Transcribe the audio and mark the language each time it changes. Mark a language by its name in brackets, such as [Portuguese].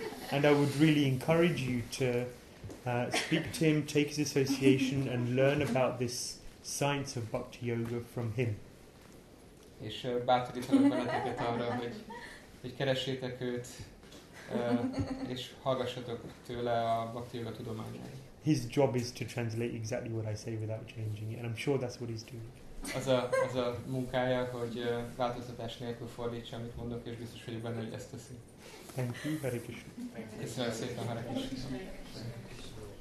[English] And I would really encourage you to speak to him, take his association, and learn about this science of Bhakti Yoga from him. [Hungarian] és bátorítanak benneteket arra, hogy, keressétek őt, és hallgassatok tőle a Bhakti Yoga tudományát. [English] His job is to translate exactly what I say without changing it, and I'm sure that's what he's doing. [Hungarian] Az a munkája, hogy változtatás nélkül fordítsa, amit mondok, és biztos vagyok benne, hogy ezt teszi. [English] Thank you, Hare Krishna. [Hungarian] Köszönöm szépen, Hare Krishna.